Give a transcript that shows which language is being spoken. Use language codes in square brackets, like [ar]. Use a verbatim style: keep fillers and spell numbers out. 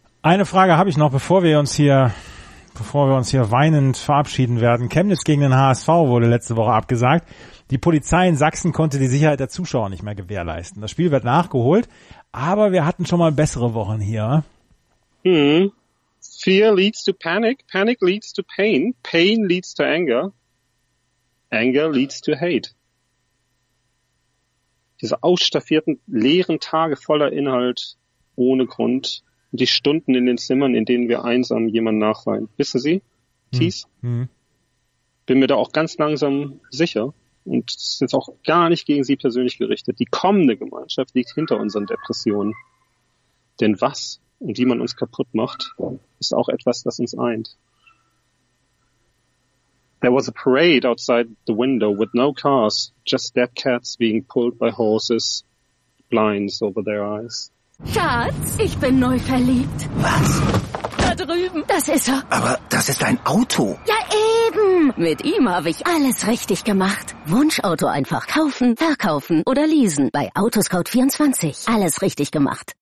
[de] Eine Frage habe ich noch, bevor wir uns hier bevor wir uns hier weinend verabschieden werden. Chemnitz gegen den H S V wurde letzte Woche abgesagt. Die Polizei in Sachsen konnte die Sicherheit der Zuschauer nicht mehr gewährleisten. Das Spiel wird nachgeholt, aber wir hatten schon mal bessere Wochen hier. Mhm. [en] Fear leads to panic, panic leads to pain, pain leads to anger, anger leads to hate. [de] Diese ausstaffierten, leeren Tage voller Inhalt, ohne Grund. Die Stunden in den Zimmern, in denen wir einsam jemanden nachweinen. Wissen Sie, Thies? Mhm. Bin mir da auch ganz langsam sicher. Und es ist jetzt auch gar nicht gegen Sie persönlich gerichtet. Die kommende Gemeinschaft liegt hinter unseren Depressionen. Denn was und wie man uns kaputt macht, ist auch etwas, das uns eint. [en] There was a parade outside the window with no cars, just dead cats being pulled by horses, blinds over their eyes. [de] Schatz, ich bin neu verliebt. Was? Da drüben. Das ist er. Aber das ist ein Auto. Ja, eben. Mit ihm habe ich alles richtig gemacht. Wunschauto einfach kaufen, verkaufen oder leasen. Bei Autoscout vierundzwanzig. Alles richtig gemacht.